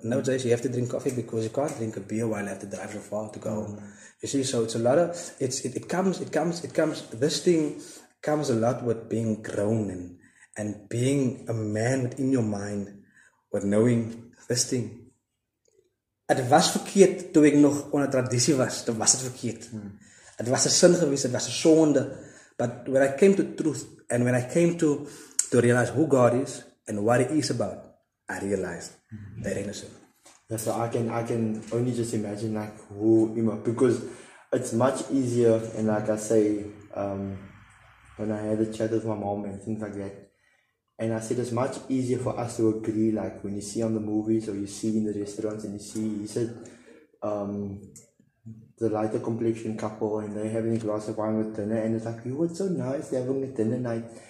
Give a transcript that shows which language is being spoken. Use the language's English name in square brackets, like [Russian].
[English] Now, Jace, you have to drink coffee because you can't drink a beer while I have to drive so far to go home. You see, so it's a lot of, it comes, this thing comes a lot with being grown and being a man within your mind, with knowing this thing. [Dutch] Het was verkeerd toen ik nog onder traditie was. Toen was het verkeerd. Het was een sin geweest. Het was een zonde. [English] But when I came to truth and when I came to realize who God is and what he is about, I realized that ain't a sin. Yeah, so I can only just imagine like who, you know, because it's much easier. And like I say, when I had a chat with my mom and things like that, and I said, it's much easier for us to agree, like when you see on the movies or you see in the restaurants and you see, he said, the lighter complexion couple and they're having a glass of wine with dinner and it's like, it's so nice, they're having a dinner night.